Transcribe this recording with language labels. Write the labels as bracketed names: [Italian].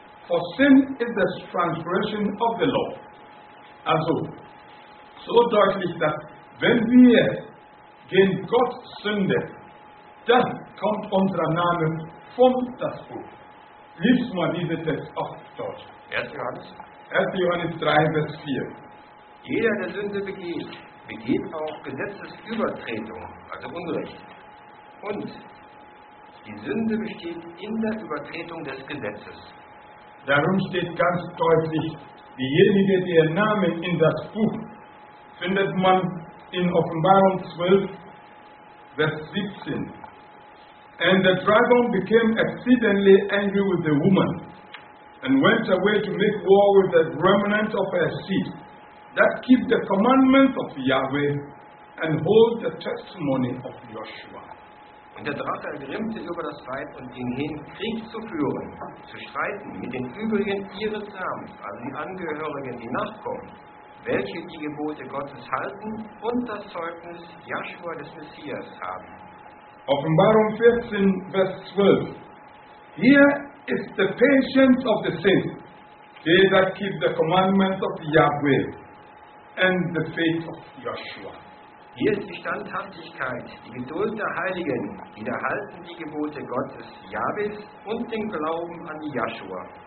[English] For sin is the transgression of the law. [German] Also, so deutlich, dass wenn wir gegen Gott Sünde, dann kommt unser Name von das Buch. Lies mal diesen Text auf Deutsch. 1. Johannes 3, Vers 4. Jeder, der Sünde begeht, begeht auch Gesetzesübertretung, also Unrecht. Und die Sünde besteht in der Übertretung des Gesetzes. Darum steht ganz deutlich, Diejenigen, die ihren Namen in das Buch findet man in Offenbarung 12, Vers 17. [English] And the dragon became exceedingly angry with the woman, and went away to make war with the remnant of her seed, that keep the commandments of Yahweh, and hold the testimony of Joshua. [German] Und der Drache ergrimmte über das Weib und ging hin, Krieg zu führen, zu streiten mit den Übrigen ihres Namens, also die Angehörigen, die nachkommen, welche die Gebote Gottes halten und das Zeugnis Joshua des Messias haben. Offenbarung 14, Vers 12. [English] Here is the patience of the saints, they that keep the commandments of Yahweh and the faith of Joshua. [German] Hier ist die Standhaftigkeit, die Geduld der Heiligen, die da halten die Gebote Gottes, Jahwes und den Glauben an Joshua.